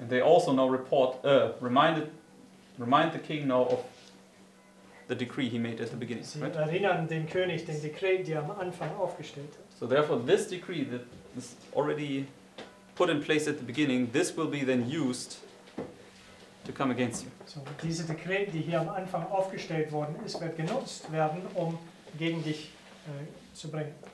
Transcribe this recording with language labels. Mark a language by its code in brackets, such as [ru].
[en] And they also now report, remind the king now of the decree he made at the beginning. [de] Sie erinnern den König den Dekret, die er am Anfang aufgestellt hat. [en] So therefore this decree that is already put in place at the beginning, this will be then used to come against you. [de] So diese Dekret, die hier am Anfang aufgestellt worden ist, wird genutzt werden, um gegen dich zu bringen.